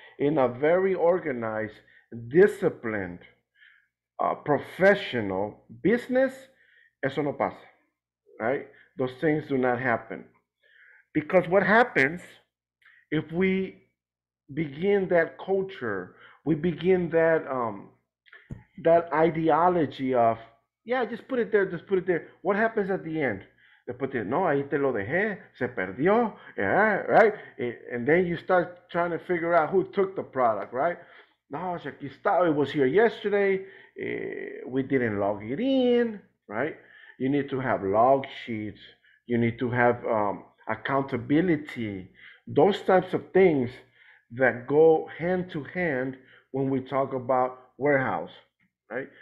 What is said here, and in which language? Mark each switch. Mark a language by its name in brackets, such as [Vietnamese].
[English] In a very organized, disciplined, professional business, [Spanish] eso no pasa, [English] right? Those things do not happen. Because what happens if we begin that culture, we begin that that ideology of, yeah, just put it there, just put it there. What happens at the end? [Spanish] Después te, no, ahí te lo dejé, se perdió, [English] yeah, right? And then you start trying to figure out who took the product, right? [Spanish] No, aquí estaba, [English] it was here yesterday. We didn't log it in, right? You need to have log sheets. You need to have accountability. Those types of things that go hand to hand when we talk about warehouse, right?